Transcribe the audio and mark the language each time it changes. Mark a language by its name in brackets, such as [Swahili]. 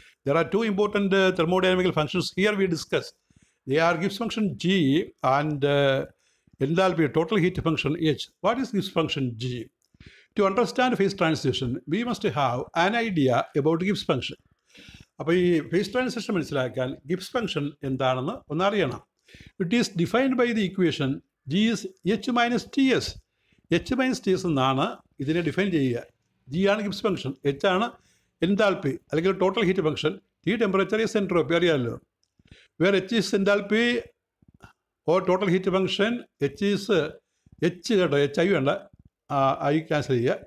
[English] There are two important thermodynamical functions here we discuss. They are Gibbs function G and enthalpy total heat function H. What is Gibbs function G? To understand phase transition we must have an idea about Gibbs function. [Malayalam] അപ്പോൾ ഈ phase transition മനസ്സിലാക്കാൻ Gibbs function എന്താണെന്ന് ഒന്നറിയണം. [English] It is defined by the equation g is h minus ts. [Malayalam] h minus ts എന്നാണ് ഇതിനെ define ചെയ്യുക. G ആണ് Gibbs function, H ആണ് enthalpy അല്ലെങ്കിൽ total heat function, T temperature is entropy അറിയാമല്ലോ. [English] where H is enthalpy or total heat function, H is H [Malayalam] കേട്ടോ, H I വേണ്ട, I cancel ചെയ്യുക.